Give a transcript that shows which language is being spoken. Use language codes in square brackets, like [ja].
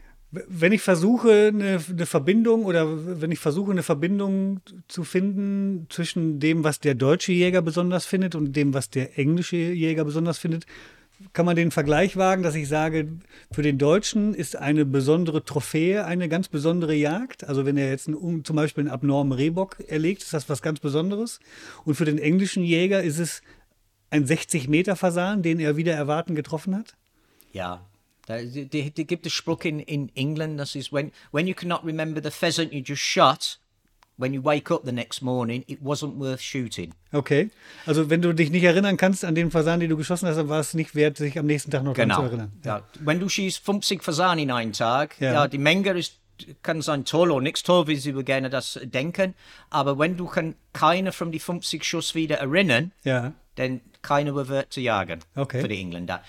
[de] Wenn ich versuche, eine Verbindung oder wenn ich versuche, eine Verbindung zu finden zwischen dem, was der deutsche Jäger besonders findet und dem, was der englische Jäger besonders findet, kann man den Vergleich wagen, dass ich sage, für den Deutschen ist eine besondere Trophäe eine ganz besondere Jagd? Also wenn er jetzt zum Beispiel einen abnormen Rehbock erlegt, ist das was ganz Besonderes? Und für den englischen Jäger ist es ein 60-Meter-Fasan, den er wieder erwarten getroffen hat? Ja, da gibt es Spruch in England, das ist, [en] when you cannot remember the pheasant you just shot, when you wake up the next morning, it wasn't worth shooting. [de] Okay, also wenn du dich nicht erinnern kannst an den Fasan, den du geschossen hast, dann war es nicht wert, sich am nächsten Tag noch genau. daran zu erinnern. Ja. Wenn du schießt 50 Fasan in einem Tag, ja, die Menge ist, kann sein toll oder nichts toll, wie sie gerne das denken, aber wenn du keiner von den 50 Schuss wieder erinnern, dann keiner wird zu jagen für die Engländer.